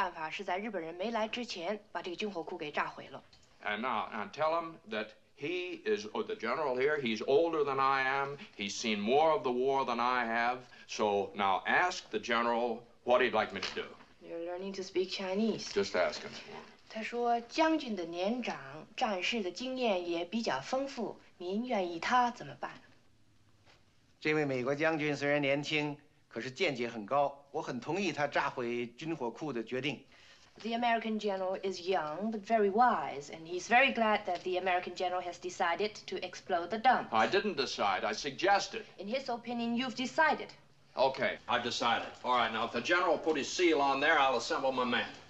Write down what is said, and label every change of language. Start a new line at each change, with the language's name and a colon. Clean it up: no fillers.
Chinese: 他说最良好、最妥善的办法是在日本人没来之前把这个军火库给炸毁了.
English: And now tell him that he is, or the general here, he's older than I am. He's seen more of the war than I have. So now ask the general what he'd like me to do. You're learning to speak Chinese. Just ask him.
Chinese: 他说将军的年长，战事的经验也比较丰富，您愿意他怎么办? 这位美国将军虽然年轻，可是见解很高，我很同意他炸毁军火库的决定。The
English: American general is young but very wise, and he's very glad that the American general has decided to explode the dumps. I didn't decide, I suggested. In his opinion, you've decided. Okay, I've decided. All right, now if the general put his seal on there, I'll assemble my men.